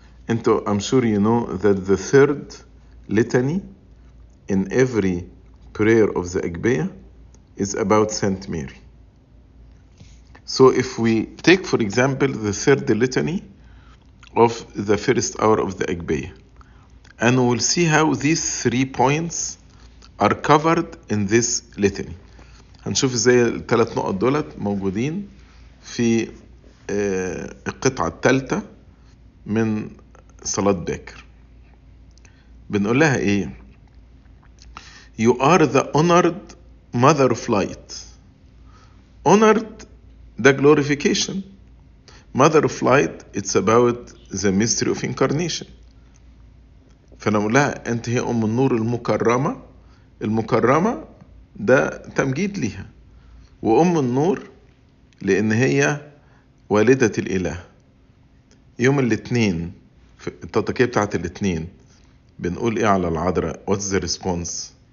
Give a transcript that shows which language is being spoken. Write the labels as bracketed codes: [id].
[ar] انتو [en] I'm sure you know that the third litany in every prayer of the Agbaya is about Saint Mary. So if we take for example the third litany of the first hour of the Agbaya, and we'll see how these three points are covered in this litany. [ar] هنشوف ازاي التلات نقط دولت موجودين في القطعة التالتة من صلاة باكر. بنقول لها ايه؟ [en] You are the honored mother of light. Honored, the glorification. Mother of light, it's about the mystery of incarnation. [ar] فانا بقول لها انت هي ام النور المكرمة. المكرمة ده تمجيد ليها. وام النور لان هي والدة الاله. يوم الاثنين في التطكية بتاعت الاثنين بنقول ايه على العذراء؟ [en] What's the response?